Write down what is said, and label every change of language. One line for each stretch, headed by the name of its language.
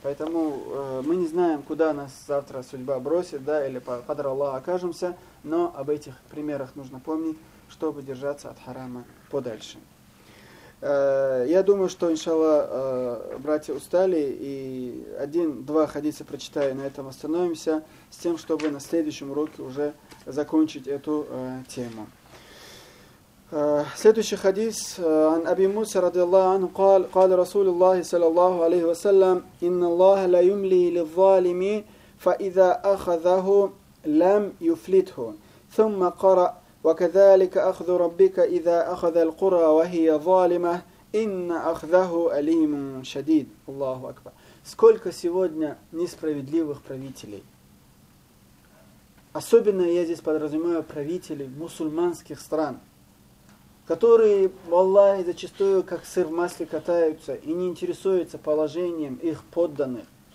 Russian: Поэтому мы не знаем, куда нас завтра судьба бросит, да, или под Аллах окажемся, но об этих примерах нужно помнить, чтобы держаться от харама подальше. Я думаю, что, иншаллах, братья устали, и один-два хадиса прочитаю, на этом остановимся, с тем, чтобы на следующем уроке уже закончить эту тему. Следующий хадис
Arabic: عن أبي موسى رضي الله عنه قال قال رسول الله صلى الله عليه وسلم إن الله لا يملي للظالم فإذا أخذه لم يفلته ثم قرأ وكذلك أخذ ربك إذا أخذ القرى وهي ظالمة إن أخذه أليم شديد الله أكبر.
Russian: Сколько сегодня несправедливых правителей, особенно я здесь подразумеваю правителей мусульманских стран, которые, валлахи, зачастую как сыр в масле катаются и не интересуются положением их подданных,